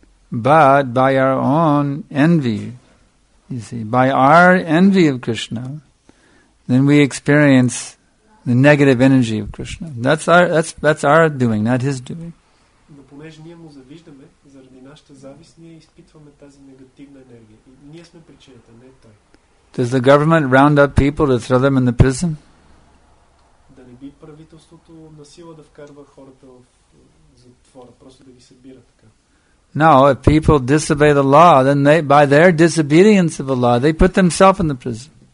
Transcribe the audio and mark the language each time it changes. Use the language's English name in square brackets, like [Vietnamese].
[English] But by our own envy, you see, by our envy of Krishna, then we experience the negative energy of Krishna. That's our doing, not his doing. [Bulgarian] Но понеже ние му завиждаме, заради нашата завист, ние изпитваме тази негативна енергия. И ние сме причината, не той. [English] Does the government round up people to throw them in the prison? [Bulgarian] Да не би правителството на сила да вкарва хората в затвора, просто да ги събира така. [English] No, if people disobey the law, then they, by their disobedience of the law, they put themselves in the prison.